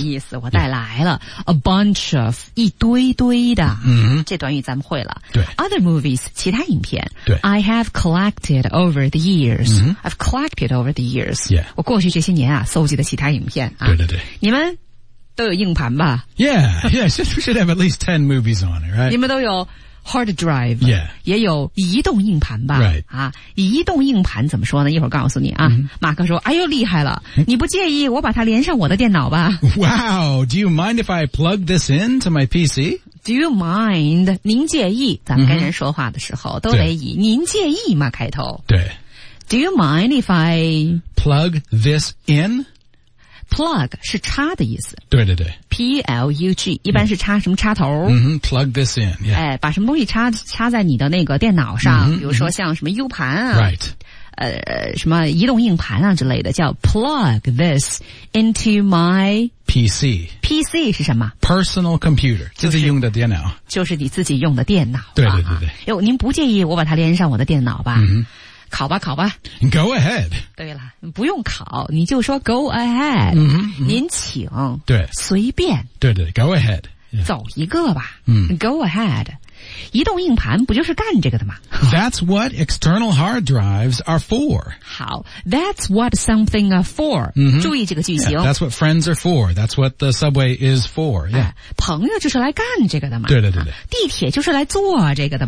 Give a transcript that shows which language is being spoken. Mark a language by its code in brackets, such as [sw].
[zh] 意思我带来了、yeah. [en] A bunch of [zh] 一堆堆的、 [en] mm-hmm. [zh] 这短语咱们会了对 [en] Other movies 其他影片 [zh] 对 [en] I have collected over the years、 mm-hmm. I've collected over the years、 yeah. [zh] 我过去这些年啊收集的其他影片、啊、对对对你们都有硬盘吧 [en] Yeah, yeah, should have at least 10 movies on it, right? [zh] 你们都有 hard drive, [en] yeah. [zh] 也有移动硬盘吧 [en] Right.、 [zh] 啊、移动硬盘怎么说呢一会儿告诉你啊、mm-hmm. 马克说哎呦厉害了你不介意我把它连上我的电脑吧 [en] Wow, do you mind if I plug this in to my PC? Do you mind? [zh] 您介意咱们跟人说话的时候、mm-hmm. 都得以您介意吗开头对 [en] Do you mind if I plug this in? [zh] Plug 是插的意思。对对对。 P-L-U-G, 一般是插什么插头。 [en] 嗯、mm-hmm, plug this in, yeah. [zh] 哎把什么东西插在你的那个电脑上、 [en] mm-hmm, [zh] 比如说像什么 U 盘啊。 [en] Right. [zh] 什么移动硬盘啊之类的叫 [en] plug this into my PC. [zh] PC 是什么 [en] ?Personal computer, [zh] 就是用的电脑。就是你自己用的电脑。对对对对。哟您不介意我把它连上我的电脑吧。嗯、mm-hmm. 考吧考吧 [en] Go ahead [zh] 对了不用考你就说 [en] go ahead、 mm-hmm, mm-hmm. [zh] 您请对随便对对 go ahead、yeah. 走一个吧、 [en] mm. go ahead [zh] 移动硬盘不就是干这个的吗 [en] That's what external hard drives are for 好 That's what something are for、 mm-hmm. [zh] 注意这个句型、 [en] yeah, That's what friends are for That's what the subway is for、yeah. [zh] 朋友就是来干这个的嘛对对对对、啊、地铁就是来坐这个的嘛